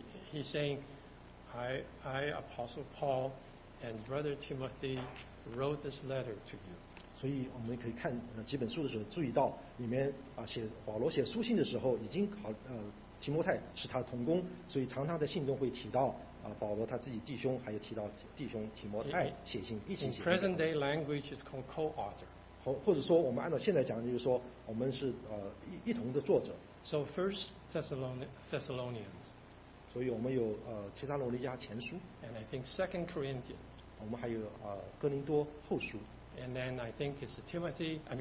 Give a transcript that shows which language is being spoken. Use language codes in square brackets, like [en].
[en] He's saying, I Apostle Paul.And Brother Timothy wrote this letter to you. [zh] 所以我们可以看几本书的时候注意到里面写保罗写书信的时候已经考提摩太是他的同工，所以常常在信中会提到保罗他自己弟兄，还有提到弟兄提摩太写信一起写信。 [en] Present day language is called co-author。 [zh] 或者说我们按照现在讲，就是说我们是一同的作者。 [en] So First Thessalonians。 [zh] 所以我们有提撒罗尼迦前书。 [en] And I think Second Corinthians。 [zh] 我们还有哥林多后书。 [en] And then I think it's Timothy.